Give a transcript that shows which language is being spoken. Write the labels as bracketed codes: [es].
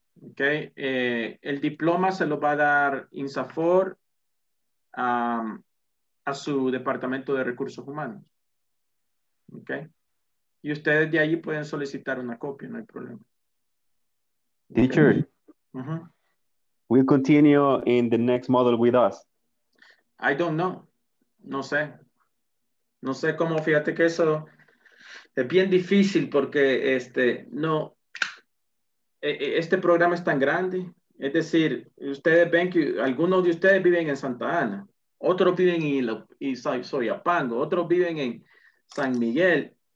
[es] Okay. El diploma se lo va a dar INSAFORP a su departamento de recursos humanos. Okay. Y ustedes de allí pueden solicitar una copia, no hay problema. [en] Teacher, will continue in the next module with us? I don't know. [es] No sé. No sé cómo, fíjate que eso es bien difícil porque este programa es tan grande. Es decir, ustedes ven que algunos de ustedes viven en Santa Ana, otros viven en Soyapango, otros viven en San Miguel.